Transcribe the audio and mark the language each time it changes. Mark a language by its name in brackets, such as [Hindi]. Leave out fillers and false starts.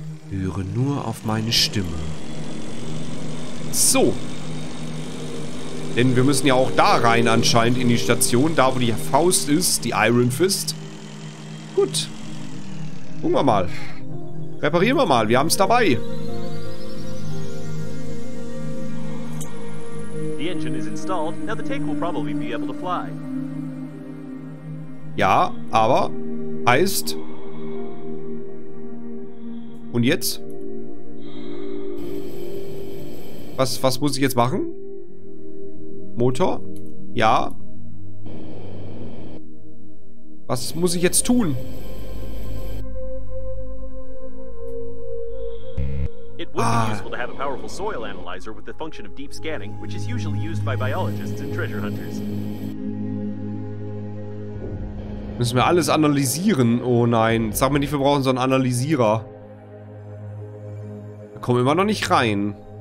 [German] Höre nur auf meine Stimme. So. Denn wir müssen ja auch da rein anscheinend in die Station, da wo die Faust ist, die Iron Fist. Gut. Gucken wir mal. Reparieren wir mal, wir haben es dabei. [English] The engine is installed. Now the tank will probably be able to fly. [German] Ja, aber heißt. Und jetzt? Was muss ich jetzt machen? Motor? Ja. Was muss ich jetzt tun? [English] It would be useful to have a powerful soil analyzer with the function of deep scanning, which is usually used by biologists and treasure hunters. [German] Müssen wir alles analysieren? Oh nein, sag mir nicht, wir brauchen so einen Analysierer. Da kommen wir immer noch nicht rein.